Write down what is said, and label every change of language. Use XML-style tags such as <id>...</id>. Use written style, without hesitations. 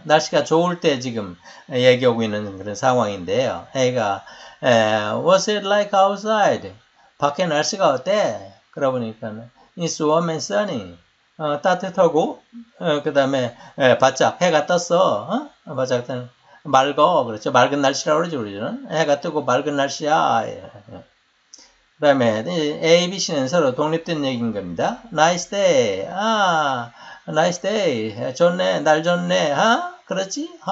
<ko>날씨가 좋을 때 지금 얘기하고 있는 그런 상황인데요.</ko> <en>A가 What's it like outside?</en> <ko>밖에 날씨가 어때? 그러보니까는</ko> <en>It's warm and sunny.</en> <ko>따뜻하고 그 다음에 바짝 해가 떴어. 바짝 떴. 맑어. 그렇죠. 맑은 날씨라고 그러죠. 우리는 해가 뜨고 맑은 날씨야. 그 다음에 A, B, C는 서로 독립된 얘기인 겁니다.</ko> <en>Nice day.</en> <ko>나이스 데이. 좋네. 날 좋네. 어? 그렇지? 어?</ko>